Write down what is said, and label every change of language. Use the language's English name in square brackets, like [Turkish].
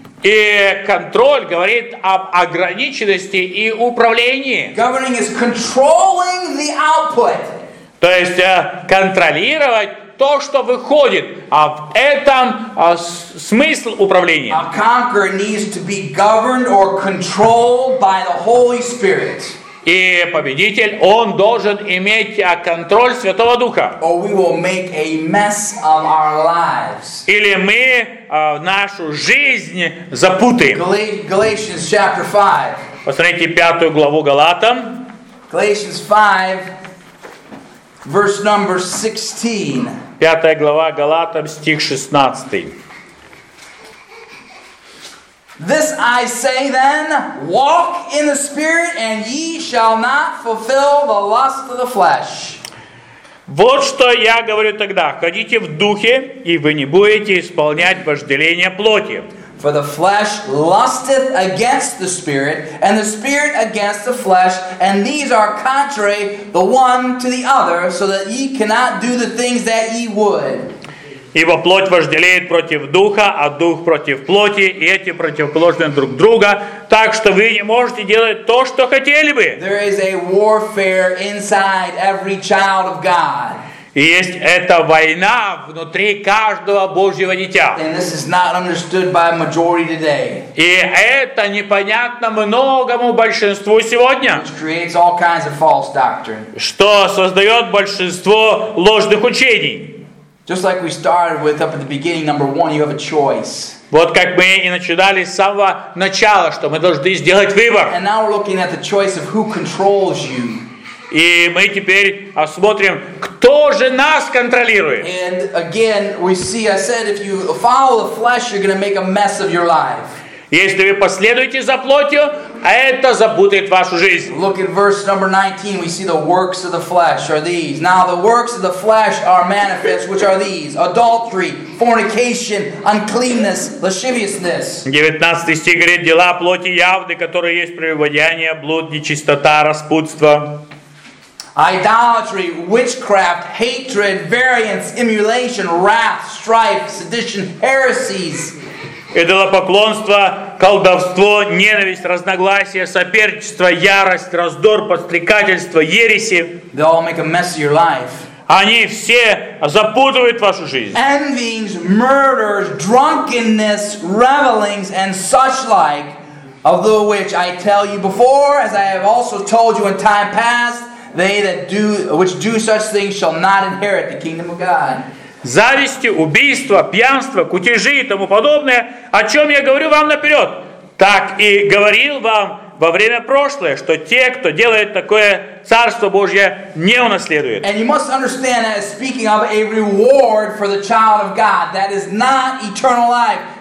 [Russian] И контроль говорит об ограниченности и управлении. [English] Governing is controlling the output. [Russian] То есть контролировать то, что выходит. А в этом смысл управления. [English] A conqueror needs to be governed or controlled by the Holy Spirit. [Russian] И победитель, он должен иметь контроль Святого Духа. [English] Or we will make a mess of our lives. [Russian] Или мы нашу жизнь запутаем. [English] Galatians chapter 5. [Russian] Посмотрите пятую главу Галатам. [English] Galatians 5. Verse number 16. [Russian] Пятая глава Галатам, стих 16. [English] This I say then, walk in the Spirit, and ye shall not fulfill the lust of the flesh. [Russian] Вот что я говорю тогда. Ходите в духе, и вы не будете исполнять вожделение плоти. [English] For the flesh lusteth against the Spirit, and the Spirit against the flesh, and these are contrary the one to the other, so that ye cannot do the things that ye would. [Russian] Ибо плоть вожделеет против духа, а дух против плоти, и эти противоположны друг друга, так что вы не можете делать то, что хотели бы. [English] There is a warfare inside every child of God. [Russian] И есть эта война внутри каждого Божьего дитя. [English] And this is not understood by majority today. [Russian] И это непонятно многому большинству сегодня. [English] Which creates all kinds of false doctrine. [Russian] Что создает большинство ложных учений. [English] Just like we started with up at the beginning, number one, you have a choice. [Russian] Вот как мы и начинали с самого начала, что мы должны сделать выбор. [English] And now we're looking at the choice of who controls you. [Russian] И мы теперь осмотрим, кто же нас контролирует. [English] And again, we see, I said, if you follow the flesh, you're going to make a mess of your life. [Russian] Если вы последуете за плотью, это запутает вашу жизнь. [English] Look at verse number 19. We see the works of the flesh are these. Now the works of the flesh are manifest, which are these. Adultery, fornication, uncleanness, lasciviousness. [Russian] 19 стих говорит, дела плоти явны, которые есть прелюбодеяние, блуд, нечистота, распутство. [English] Idolatry, witchcraft, hatred, variance, emulation, wrath, strife, sedition, heresies. [Russian] Идолопоклонство, колдовство, ненависть, разногласия, соперничество, ярость, раздор, подстрекательство, ереси. [English] They all make a mess of your life. [Russian] Они все запутывают вашу жизнь. [English] Envyings, murders, drunkenness, revelings, and such like, of the which I tell you before, as I have also told you in time past, they that do which do such things shall not inherit the kingdom of God. [Russian] Зависти, убийства, пьянства, кутежи и тому подобное, о чем я говорю вам наперед, так и говорил вам в во время прошлое, что те, кто делает такое Царство Божье, не унаследуют. [English] And you must understand that it's speaking of a reward for the child of God that is not eternal life.